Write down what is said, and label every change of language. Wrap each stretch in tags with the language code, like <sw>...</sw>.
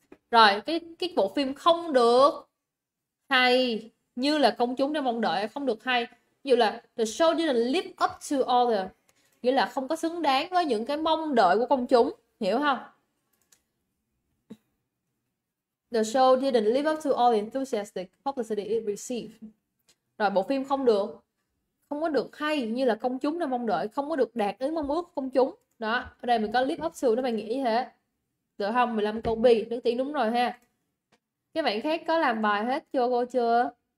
<vi>Rồi cái bộ phim không được hay như là công chúng đang mong đợi, không được hay. Ví dụ là</vi> <en>the show didn't live up to all the,</en> <vi>nghĩa là không có xứng đáng với những cái mong đợi của công chúng, hiểu không?</vi> <en>The show didn't live up to all the enthusiastic publicity it received.</en> <vi>Rồi bộ phim không được, không có được hay như là công chúng đã mong đợi, không có được đạt đến mong ước của công chúng. Đó, ở đây mình có live up to, nó mày nghĩ như thế. Được không? 15 câu B, nước tiếng đúng rồi ha. Các bạn khác có làm bài hết chưa cô chưa?</vi>